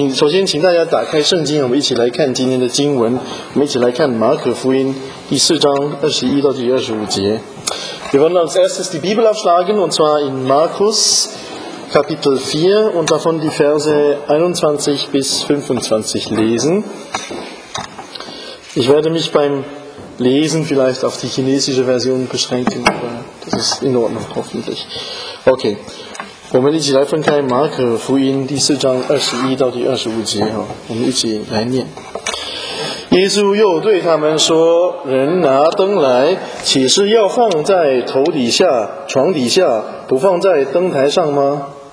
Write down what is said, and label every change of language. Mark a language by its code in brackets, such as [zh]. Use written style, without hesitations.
[zh] 首先请大家打开圣经，我们一起来看今天的经文。我们一起来看马可福音第四章二十一到第二十五节。 [de] Wir wollen als erstes die Bibel aufschlagen, und zwar in Markus Kapitel 4 und davon die Verse 21 bis 25 lesen. Ich werde mich beim Lesen vielleicht auf die chinesische Version beschränken, aber das ist in Ordnung, hoffentlich. [zh] Okay, 我们一起来翻开马可福音第四章二十一到第二十五节，我们一起来念。耶稣又对他们说，人拿灯来，岂是要放在头底下、床底下，不放在灯台上吗？